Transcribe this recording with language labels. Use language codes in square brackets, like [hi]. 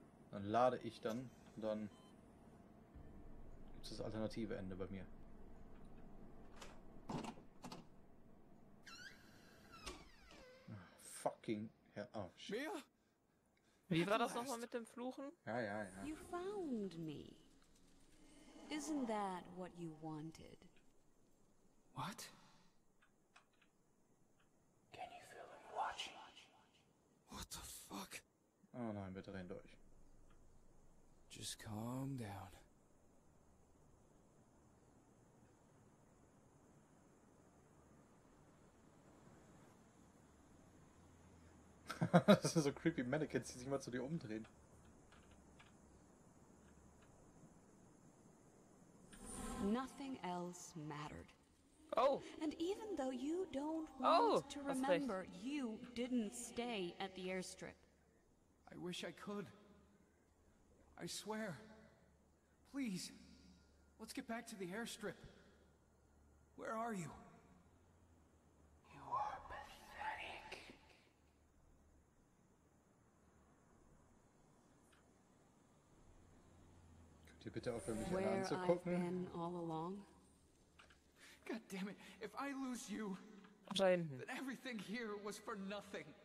[de] Dann lade ich dann und dann gibt es das alternative Ende bei mir. [en] Fucking hell. Oh, shit. Mia? [de] Wie war das nochmal mit dem Fluchen? Ja. [en] You found me. Isn't that what you wanted? What? Can you feel him watching? What the fuck? [de] Oh nein, bitte rein durch. [en] Just Just calm down. [de] Das sind so creepy Mannequins, die sich immer zu dir umdrehen. [en] Nothing else mattered. Oh. And even though you don't want to remember, you didn't stay at the airstrip. I wish I could. I swear. Please, let's get back to the airstrip. Where are you? You are pathetic. [de] Könnt ihr bitte aufhören, mich hier anzugucken? [en] All along? God damn it, if I lose you, [de] Nein. [en] Then everything here was for nothing.